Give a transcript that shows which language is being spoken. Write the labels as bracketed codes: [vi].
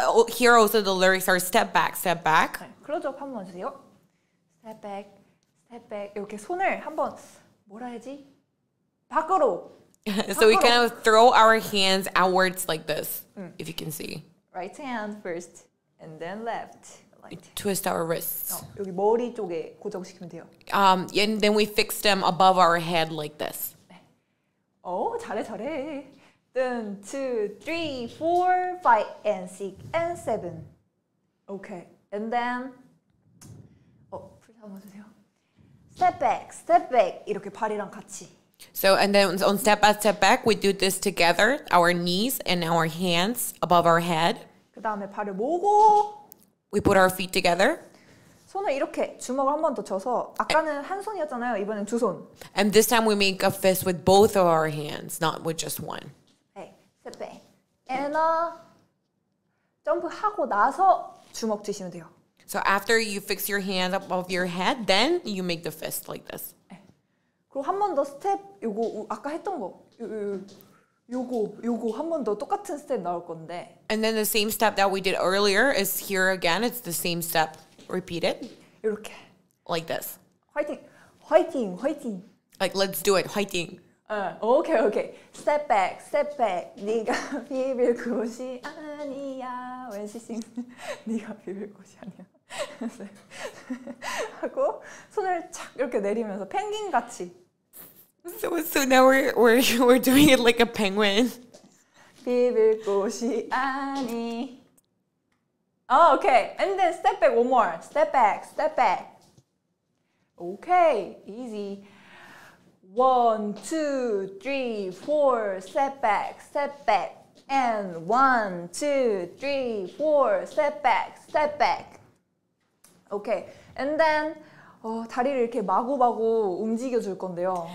[en] Here also the lyrics are step back, step back. [ko] 클로즈업 한 번 주세요. [en] Step back, step back. [ko] 이렇게 손을 한번 뭐라 해야지? 밖으로. [en] So we kind of throw our hands outwards like this, if you can see. Right hand first, and then left. Right. Twist our wrists. [ko] 여기 머리 쪽에 고정시키면 돼요. [en] And then we fix them above our head like this. [ko] 오, 잘해, 잘해. [en] 1, 2, 3, 4, 5, and 6, and 7. Okay, and then... [ko] 한번 주세요. [en] Step back, [ko] 이렇게 발이랑 같이. [en] So and then on step back, step back, we do this together, our knees and our hands above our head. [ko] 그다음에 발을 모으고. [en] We put our feet together. [ko] 손을 이렇게 주먹을 한 번 더 쳐서 아까는 한 손이었잖아요. 이번엔 두 손. [en] And this time we make a fist with both of our hands, not with just one. Hey, step back. [ko] And 점프 하고 나서 주먹 치시면 돼요. [en] So after you fix your hand above your head, then you make the fist like this. [ko] 그리고 한 번 더 스텝, 요거 아까 했던 거, 요거 한 번 더 똑같은 스텝 나올 건데. [en] And then the same step that we did earlier is here again. It's the same step. Repeat it. [ko] 이렇게. [en] Like this. [ko] 화이팅, 화이팅, 화이팅. [en] Like, let's do it, 화이팅. Okay, okay. Step back, step back. [ko] 네가 비빌 곳이 아니야. [en] When she sings, [ko] 네가 비빌 곳이 아니야. 하고 손을 착 이렇게 내리면서 펭귄 같이. [en] So now we're doing it like a penguin. [ko] 비빌 곳이 아니. [en] Oh, okay. And then step back one more. Step back, step back. Okay, easy. 1, 2, 3, 4, step back, and 1, 2, 3, 4, step back, okay, and then [ko] 다리를 이렇게 마구마구 움직여줄 건데요.